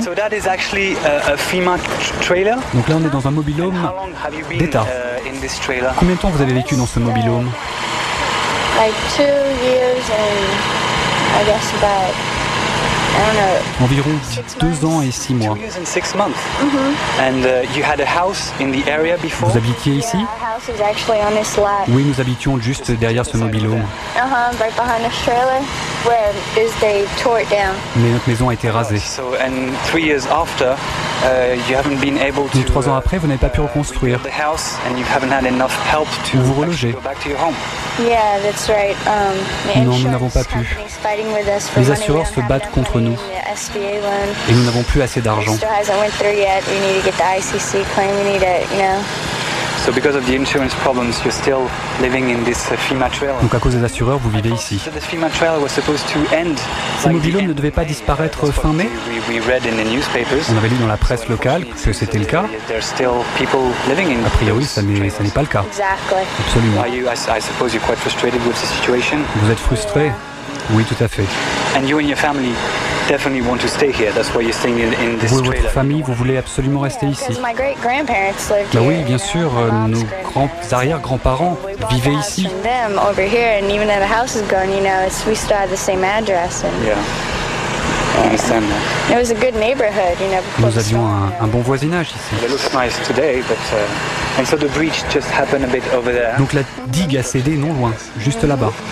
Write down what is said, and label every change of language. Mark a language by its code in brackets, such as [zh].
[en] So that is actually a FEMA trailer. [fr] Donc là, on est dans un mobile home d'État. Combien de temps vous avez vécu dans ce mobile home? [en] Like 2 years and I guess about, I don't know. [fr] Environ 2 ans et 6 mois. [en] 2 years and 6 months. Mm-hmm. And you had a house in the area before. [fr] Vous habitiez ici? [en] Yeah, our house is actually on this lot. [fr] Oui, nous habitions juste derrière ce mobile home. [en] Uh-huh, right behind this trailer. Where is they tore it down? [fr] Mais notre maison a été rasée. [en] So and 3 years after, you haven't been able to. [fr] Donc 3 ans après, vous n'avez pas pu reconstruire. [en] The house and you haven't had enough help to. [fr] Vous reloger. [en] Go back to your home. Yeah, that's right. [fr] Non, nous n'avons pas pu. Les assureurs se battent contre nous. Et nous n'avons plus assez d'argent. [en] Still hasn't went through yet. We need to get the ICC claim. We need it, you know. So because of the insurance problems, you're still living in this FEMA trailer. [fr] Donc à cause des assureurs, vous vivez ici. [en] So this FEMA trailer was supposed to end. [fr] Ce mobile home ne devait pas disparaître fin mai. [en] We read in the newspapers. [fr] On avait lu dans la presse locale que c'était le cas. [en] There are still people living in. [fr] A priori, ça n'est pas le cas. [en] Exactly. [fr] Absolument. [en] Are you? I suppose you're quite frustrated with the situation. [fr] Vous êtes frustré? Oui, tout à fait. [en] And you and your family definitely want to stay here. That's why you're staying in this trailer. [fr] Vous et votre famille, vous voulez absolument rester ici. [en] My great grandparents lived here. [fr] Bah oui, bien sûr, nos grands arrière-grands-parents vivaient ici. [en] We bought a house from them over here, and even though the house is gone, you know, we still have the same address. And yeah, I understand that. It was a good neighborhood, you know. [fr] Nous avions un bon voisinage ici. [en] It looks nice today, but and so the breach just happened a bit over there. [fr] Donc la digue a cédé non loin, juste là-bas.